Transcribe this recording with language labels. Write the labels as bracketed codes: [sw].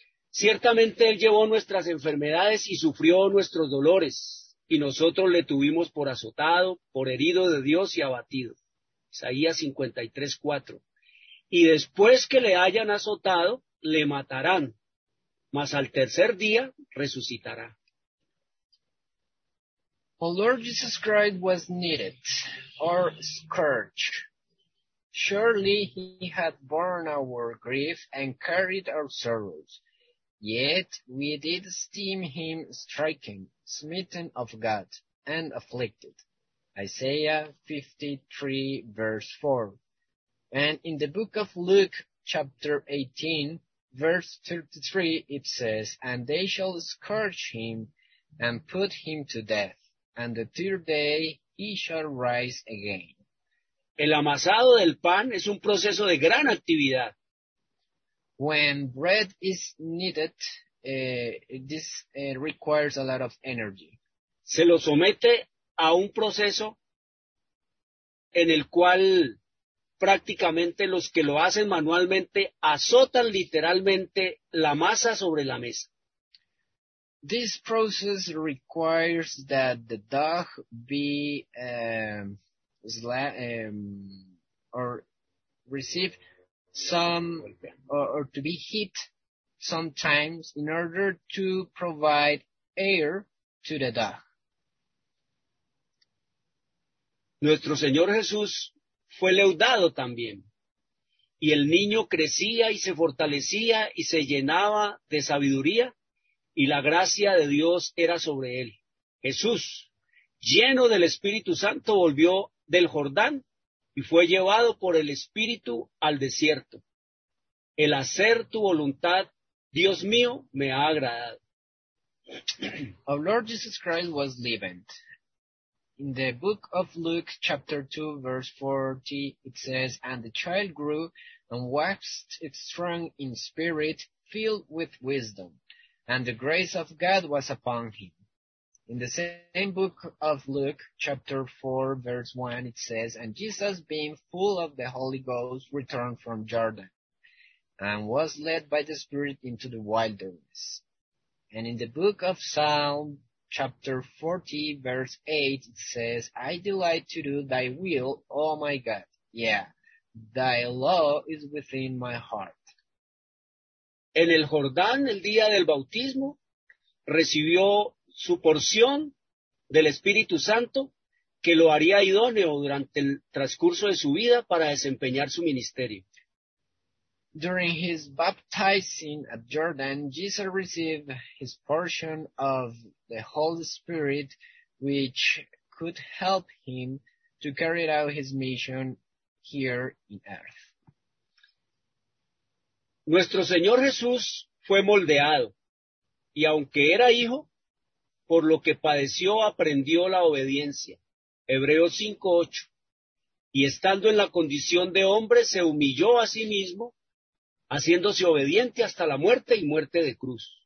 [es] Ciertamente Él llevó nuestras enfermedades y sufrió nuestros dolores. Y nosotros le tuvimos por azotado, por herido de Dios y abatido. Isaías 53:4. Y después que le hayan azotado, le matarán. mas al tercer día resucitará. [en] Our Lord Jesus Christ was needed or scourged. Surely he had borne our grief and carried our sorrows. Yet we did esteem him stricken, smitten of God, and afflicted. Isaiah 53 verse 4. And in the book of Luke chapter 18 verse 33 it says, and they shall scourge him and put him to death. And the third day he shall rise again. [es] El amasado del pan es un proceso de gran actividad. [en] When bread is kneaded, this requires a lot of energy. [es] Se lo somete a un proceso en el cual prácticamente los que lo hacen manualmente azotan literalmente la masa sobre la mesa. [en] This process requires that the dough be to be hit sometimes in order to provide air to the dough. [es] Nuestro Señor Jesús fue leudado también, y el niño crecía y se fortalecía y se llenaba de sabiduría. Y la gracia de Dios era sobre él. Jesús, lleno del Espíritu Santo, volvió del Jordán y fue llevado por el Espíritu al desierto. El hacer tu voluntad, Dios mío, me ha agradado. [en] Our Lord Jesus Christ was leavened. In the book of Luke, chapter 2, verse 40, it says, and the child grew and waxed strong in spirit, filled with wisdom. And the grace of God was upon him. In the same book of Luke, chapter 4, verse 1, it says, and Jesus, being full of the Holy Ghost, returned from Jordan, and was led by the Spirit into the wilderness. And in the book of Psalm, chapter 40, verse 8, it says, I delight to do thy will, O my God. Yeah, thy law is within my heart. [es] En el Jordán, el día del bautismo, recibió su porción del Espíritu Santo que lo haría idóneo durante el transcurso de su vida para desempeñar su ministerio. [en] During his baptizing at Jordan, Jesus received his portion of the Holy Spirit, which could help him to carry out his mission here in earth. [es] Nuestro Señor Jesús fue moldeado, y aunque era hijo, por lo que padeció aprendió la obediencia. Hebreos 5:8. Y estando en la condición de hombre, se humilló a sí mismo, haciéndose obediente hasta la muerte y muerte de cruz.